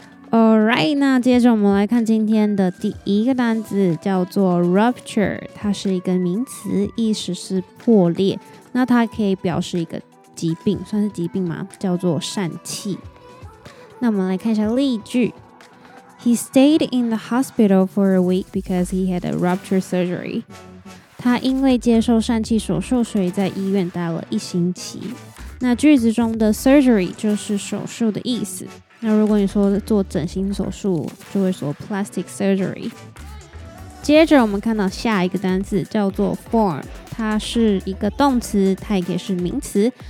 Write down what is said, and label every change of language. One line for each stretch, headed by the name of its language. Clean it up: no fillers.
English: Alright,
Chinese: 那接着我们来看今天的第一个单字，叫做 rupture， 它是一个名词，意思是破裂。那它可以表示一个疾病，算是疾病吗？叫做疝气。那我们来看一下例句。
English: He stayed in the hospital for a week because he had a rupture surgery.
Chinese: 他因为接受疝气手术，所以在医院待了一星期。那句子中的 surgery 就是手术的意思。那如果你说做整形手术，就会说 plastic surgery。接着我们看到下一个单字叫做 form， 它是一个动词，它也可以是名词。